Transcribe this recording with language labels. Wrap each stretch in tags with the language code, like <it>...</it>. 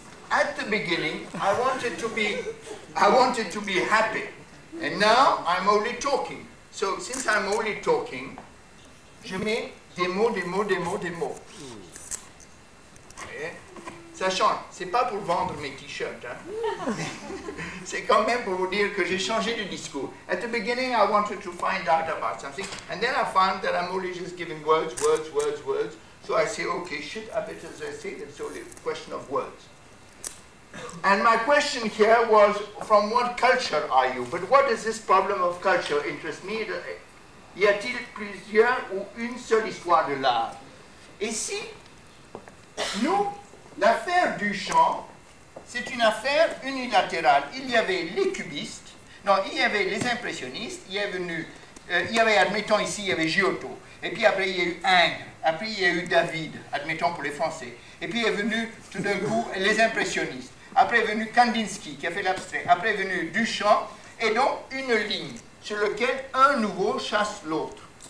<en>At the beginning, I wanted to be happy. And now, I'm only talking. So, since I'm only talking,</en> <fr>je mets des mots. Sachant, c'est pas pour vendre mes t-shirts, hein. C'est quand même pour vous dire que j'ai changé de discours.</fr> <en>At the beginning, I wanted to find out about something, and then I found that I'm only just giving words. So I say, okay, shit, I better say that it's only a question of words. And my question here was, from what culture are you? But what does this problem of culture interest me?</en> <fr>Y a-t-il plusieurs ou une seule histoire de l'art? Et si nous L'affaire Duchamp, c'est une affaire unilatérale. Il y avait les cubistes, non, il y avait les impressionnistes, il y avait venu, il y avait, admettons ici, il y avait Giotto, et puis après il y a eu Ingres, après il y a eu David, admettons pour les Français, et puis il est venu tout d'un coup les impressionnistes, après est venu Kandinsky qui a fait l'abstrait, après est venu Duchamp, et donc une ligne sur laquelle un nouveau chasse l'autre.</fr>